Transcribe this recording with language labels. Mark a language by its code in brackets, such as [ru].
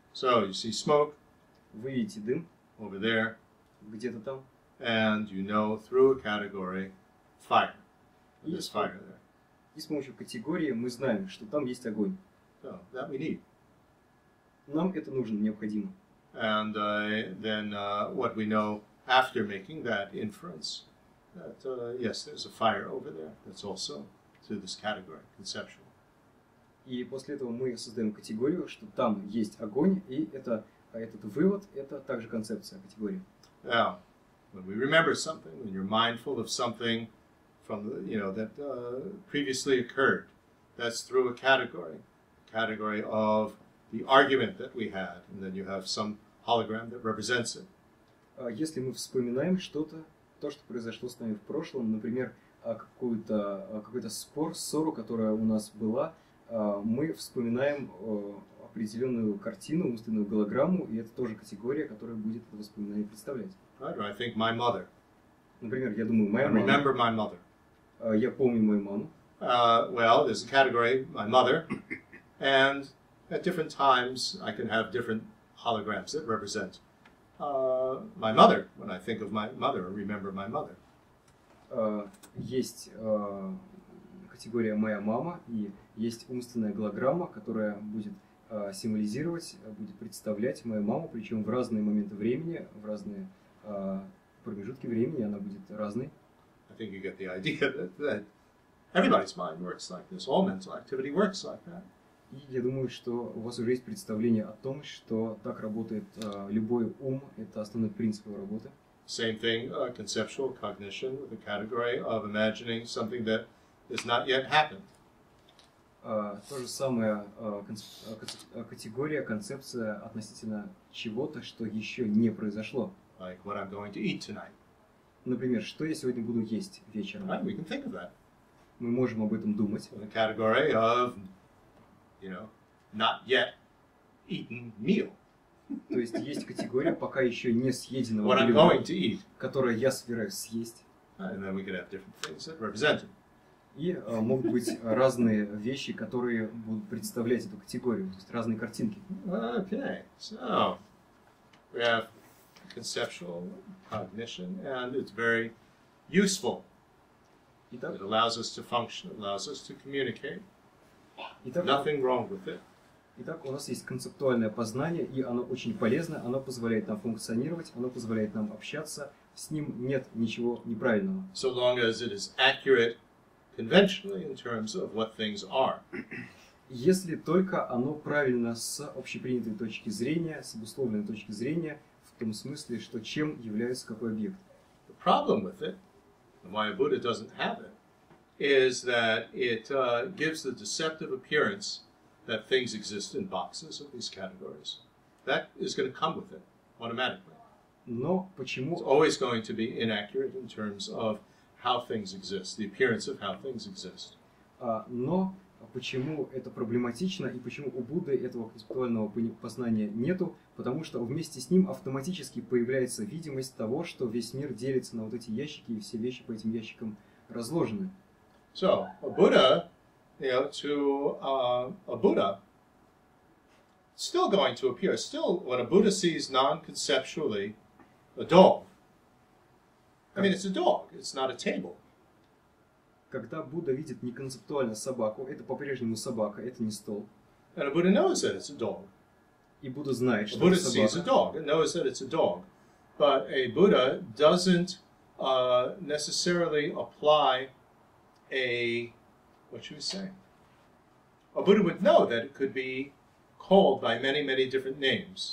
[en] So you see smoke. [ru] Вы видите дым. [en] Over there. [ru] Где-то там. [en] And you know through a category fire. There's fire there. [ru] И с помощью категории мы знаем, что там есть огонь. [en] So that we need. [ru] Нам это нужно, необходимо. [en] And then what we know after making that inference, that yes, there's a fire over there. That's also to this category, conceptual. [ru] И после этого мы создаем категорию, что там есть огонь, и это этот вывод, это также концепция категории. [en] Now, when we remember something, when you're mindful of something from the, you know, that previously occurred, that's through a category. Category of the argument that we had, and then you have some hologram that represents it. [ru] Если мы вспоминаем что-то, то, что произошло с нами в прошлом, например, какой-то спор, ссору, которая у нас была, мы вспоминаем определенную картину, умственную голограмму, и это тоже категория, которая будет это воспоминание представлять. [en] Right, I think my mother. [ru] Например, я думаю, моя мама. [en] I remember my mother. [ru] Я помню мою маму. [en] Well, there's a category, my mother. And at different times, I can have different holograms that represent my mother, when I think of my mother or remember my mother. [ru] Есть категория «моя мама», и есть умственная голограмма, которая будет символизировать, будет представлять мою маму, причем в разные моменты времени, в разные промежутки времени она будет разной. [en] I think you get the idea that everybody's mind works like this, all mental activity works like that. [ru] И я думаю, что у вас уже есть представление о том, что так работает любой ум, это основной принцип его работы. [en] Same thing, conceptual cognition with a category of imagining something that has not yet happened. [ru] То же самое, категория, концепция относительно чего-то, что еще не произошло. [en] Like what I'm going to eat tonight. [ru] Например, что я сегодня буду есть вечером. [en] Right, we can think of that. [ru] Мы можем об этом думать. [en] With a category of... You know, not yet eaten meal. [ru] То есть есть категория пока еще не съеденного блюда. [en] What I'm going to eat. [ru] Которое я собираюсь съесть. [en] And then we could have different things that represent it. [ru] И могут быть разные вещи, которые будут представлять эту категорию, то есть разные картинки. [en] Okay, so we have conceptual cognition, and it's very useful. [ru] Итак, [en] it allows us to function, allows us to communicate. Nothing wrong with it. [ru] Итак, у нас есть концептуальное познание, и оно очень полезно, оно позволяет нам функционировать, оно позволяет нам общаться, с ним нет ничего неправильного. [en] So long as it is accurate conventionally in terms of what things are. [ru] Если только оно правильно с общепринятой точки зрения, с обусловленной точки зрения, в том смысле, что чем является какой объект. [en] The problem with it, why Buddha doesn't have it, is that it gives the deceptive appearance that things exist in boxes of these categories. That is going to come with it automatically. [ru] Но почему? [en] It's always going to be inaccurate in terms of how things exist, the appearance of how things exist. [ru] Но почему это проблематично и почему у Будды этого концептуального познания нету? Потому что вместе с ним автоматически появляется видимость того, что весь мир делится на вот эти ящики и все вещи по этим ящикам разложены. [en] So, a Buddha, you know, to a Buddha, still going to appear. Still, what a Buddha sees non-conceptually, a dog. I mean, it's a dog. It's not a table. [ru] Когда Будда видит неконцептуально собаку, это по-прежнему собака, это не стол. [en] And a Buddha knows that it's a dog. [ru] И Будда знает, что это собака. [en] A Buddha sees a dog and knows that it's a dog. But a Buddha doesn't necessarily apply a... What should we say? A Buddha would know that it could be called by many, many different names.